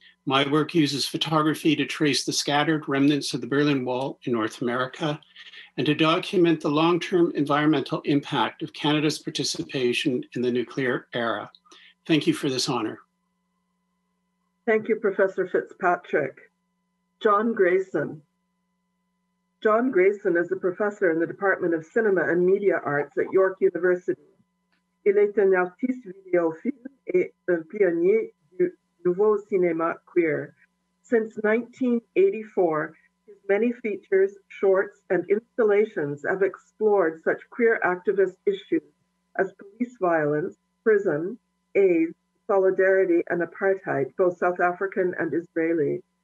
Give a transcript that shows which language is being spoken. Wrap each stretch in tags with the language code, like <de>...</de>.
<en>My work uses photography to trace the scattered remnants of the Berlin Wall in North America and to document the long-term environmental impact of Canada's participation in the nuclear era. Thank you for this honor. Thank you, Professor Fitzpatrick. John Grayson. John Grayson is a professor in the Department of Cinema and Media Arts at York University.</en> <fr>Il est un artiste vidéophile et un pionnier du nouveau cinéma queer.</fr> <en>Since 1984, his many features, shorts, and installations have explored such queer activist issues as police violence, prison, AIDS, solidarity, and apartheid, both South African and Israeli.</en>